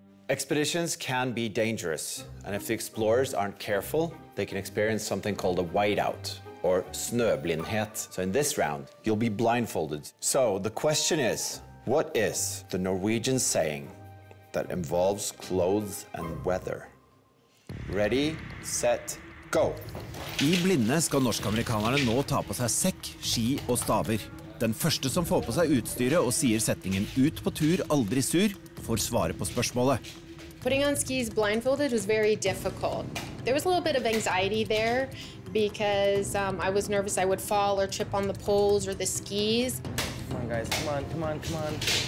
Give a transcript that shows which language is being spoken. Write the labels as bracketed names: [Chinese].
[English] Expeditions can be dangerous, and if the explorers aren't careful, they can experience something called a whiteout, or snøblindhet. So in this round, you'll be blindfolded. So the question is, what is the Norwegian saying that involves clothes and weather? Ready, set, go! [Norwegian] I blinde skal norsk-amerikanerne nå ta på seg sekk, ski og staver. Den første som får på seg utstyret og sier setningen ut på tur, aldri sur, får svare på spørsmålet. [English] Putting on skis blindfolded was very difficult. There was a little bit of anxiety there because I was nervous I would fall or trip on the poles or the skis. Come on, guys, come on, come on, come on.